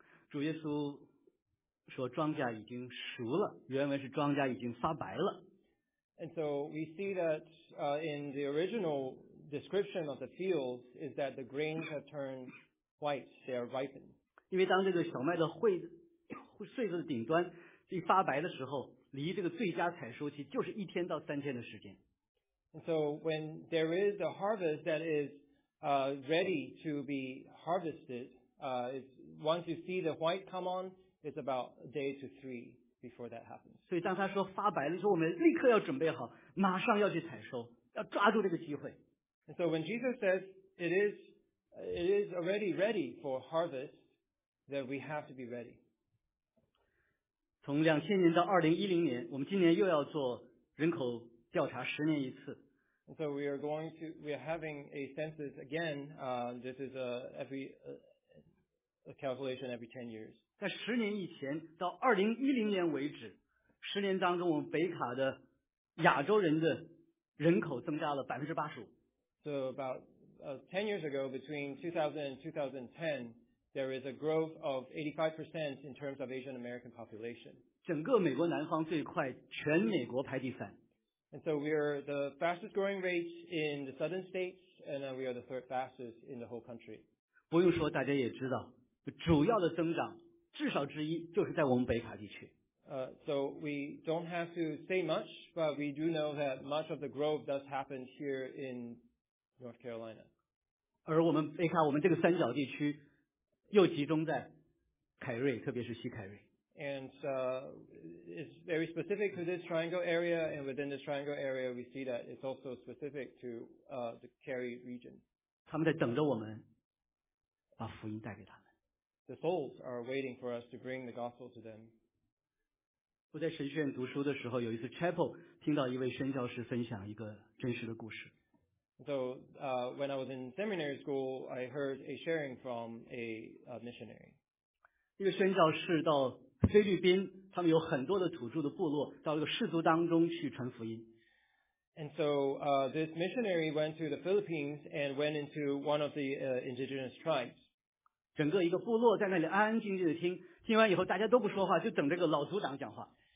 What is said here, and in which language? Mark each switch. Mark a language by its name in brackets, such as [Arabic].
[Chinese] 主耶稣说庄稼已经熟了，原文是庄稼已经发白了。 [English] And so we see that in the original description of the field is that the grains have turned white, they are ripened. [Chinese] 因为当这个小麦的穗子的顶端一发白的时候，离这个最佳采收期就是一天到三天的时间。 [English] And so when there is a harvest that is ready to be harvested, once you see the white come on,It's about a day to three before that happens. [Chinese] 所以当他说发白的时候，我们立刻要准备好，马上要去采收，要抓住这个机会。 [English] And so when Jesus says it is already ready for harvest, then we have to be ready. [Chinese] 从2000年到2010年，我们今年又要做人口调查，十年一次。 [English] And so we are having a census again. This is a calculation every 10 years. [Chinese] 在十年以前到2010年为止，十年当中我们北卡的亚洲人的人口增加了85%。 [English] So about 10 years ago, between 2000 and 2010, there is a growth of 85% in terms of Asian American population. [Chinese] 整个美国南方最快，全美国排第三。 [English] And so we are the fastest growing rate in the southern states, and we are the third fastest in the whole country. [Chinese] 不用说，大家也知道，主要的增长至少之一就是在我们北卡地区。 [English] So we don't have to say much, but we do know that much of the growth does happen here in North Carolina. [Chinese] 而我们北卡，我们这个三角地区又集中在凯瑞，特别是西凯瑞。 [English] And it's very specific to this triangle area, and within this triangle area, we see that it's also specific to the Cary region. [Chinese] 他们在等着我们把福音带给他们。 [English] The souls are waiting for us to bring the gospel to them. [Chinese] 我在神学院读书的时候，有一次 chapel 听到一位宣教士分享一个真实的故事。 [English] So, when I was in seminary school, I heard a sharing from a missionary. [Chinese] 一个宣教士到菲律宾他们有很多的土著的部落到这个氏族当中去传福音。 [English] And so this missionary went to the Philippines and went into one of the indigenous tribes. [Chinese] 整个一个部落在那里安安静静的听，听完以后大家都不说话，就等这个老族长讲话。